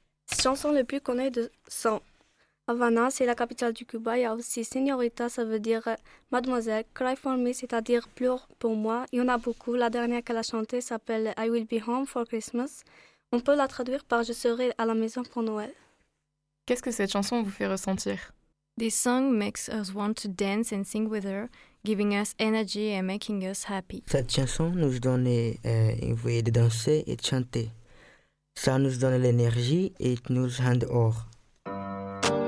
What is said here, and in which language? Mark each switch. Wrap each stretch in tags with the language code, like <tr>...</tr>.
<fr>Les chansons les plus connues sont Havana, c'est la capitale du Cuba. Il y a aussi Señorita, ça veut dire Mademoiselle. Cry for me, c'est-à-dire pleure pour moi. Il y en a beaucoup. La dernière qu'elle a chantée s'appelle I will be home for Christmas. On peut la traduire par Je serai à la maison pour Noël. Qu'est-ce que cette chanson vous fait ressentir?</fr> <en>This song makes us want to dance and sing with her, giving us energy and making us happy.</en> <fr>Cette chanson nous donne envie de danser et de chanter. Ça nous donne l'énergie et nous rend heureux.</fr>